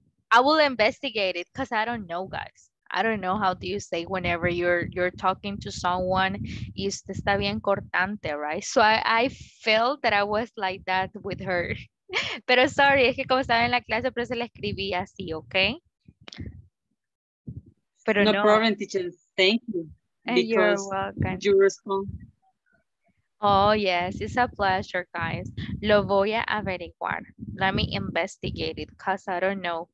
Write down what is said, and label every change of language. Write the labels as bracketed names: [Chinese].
[English] I will investigate it because I don't know, guys. I don't know how do you say whenever you're talking to someone, [Spanish] y usted está bien cortante, [English] right? So I felt that I was like that with her. [Spanish] Pero sorry, es que como estaba en la clase, pero se la escribí así, okay? Pero no, [English] no problem, teacher. Thank you. Because you respond. Oh, yes, it's a pleasure, guys. [Spanish] Lo voy a averiguar. [English] Let me investigate it, because I don't know.